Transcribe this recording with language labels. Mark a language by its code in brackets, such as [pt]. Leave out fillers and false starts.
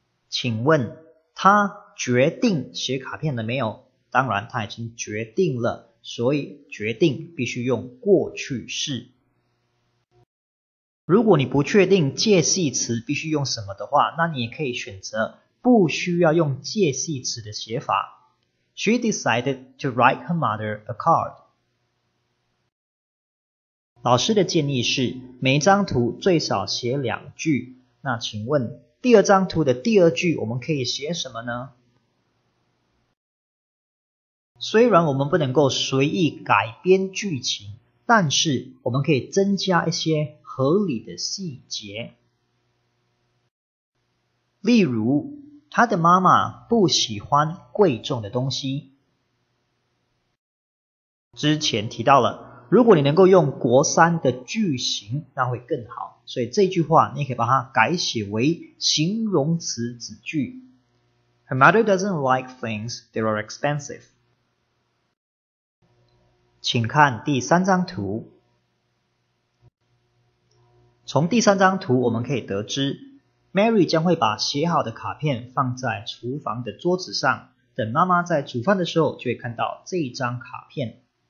[zh] 请问她决定写卡片了没有？当然她已经决定了，所以决定必须用过去式。如果你不确定介系词必须用什么的话，那你也可以选择不需要用介系词的写法。 [en] She decided to write her mother a card。 [zh] 老师的建议是每张图最少写两句，那请问第二张图的第二句我们可以写什么呢？虽然我们不能够随意改编剧情，但是我们可以增加一些合理的细节。例如他的妈妈不喜欢贵重的东西。之前提到了，如果你能够用国三的句型，那会更好。所以这句话你可以把它改写为形容词子句。 [en] Her mother doesn't like things that are expensive。 [zh] 请看第三张图，从第三张图我们可以得知Mary 将会把写好的卡片放在厨房的桌子上，等妈妈在煮饭的时候就会看到这一张卡片。